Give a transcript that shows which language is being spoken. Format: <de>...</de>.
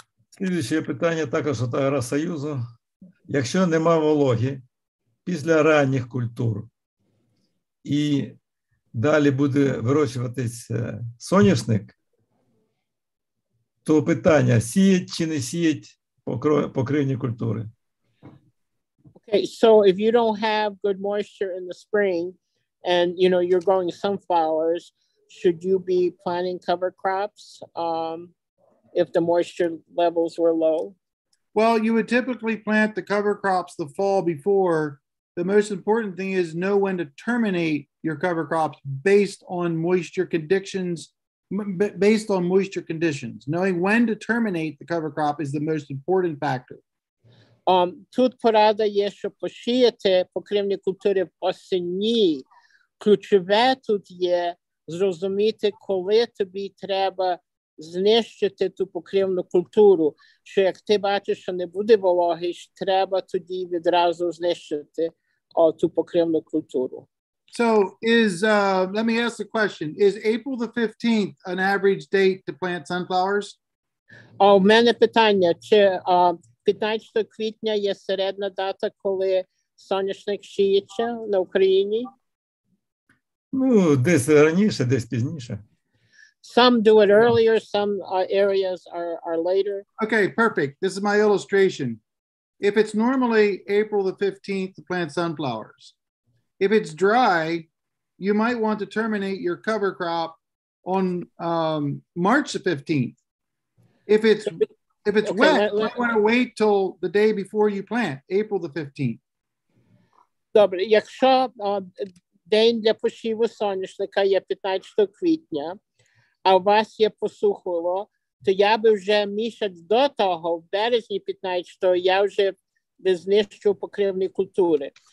<uk>Слідуюче питання також от Агросоюзу. Якщо нема вологи після ранніх культур і далі буде вирощуватись соняшник, то питання, сіять чи не сіять покривні культури?</uk> <en>Okay, so if you don't have good moisture in the spring and, you know, you're growing sunflowers, should you be planting cover crops if the moisture levels were low? Well, you would typically plant the cover crops the fall before. The most important thing is know when to terminate your cover crops based on moisture conditions, based on moisture conditions. Knowing when to terminate the cover crop is the most important factor.</en> <uk>Тут порада є, що посіяти покривні культури осінні. Ключове тут є зрозуміти, коли тобі треба знищити ту покривну культуру. Що як ти бачиш, що не буде вологи, треба тоді відразу знищити ту покривну культуру.</uk> <en>So, let me ask the question. Is April the 15th an average date to plant sunflowers?</en> <uk>У мене питання, чи... 15 квітня є середня дата, коли соняшник сіється на Україні? Ну, десь раніше, десь пізніше.</uk> <en>Some do it earlier, some areas are later. Okay, perfect. This is my illustration. If it's normally April the 15th to plant sunflowers, if it's dry, you might want to terminate your cover crop on March the 15th. If it's okay, wet, you might want to wait till the day before you plant, April the 15th.</en> <uk>Добре, якщо день для посіву соняшника є 15 квітня, а у вас є посухоло, то я би вже місяць до того, в березні 15-го, я вже би знищив покривні культури.</uk>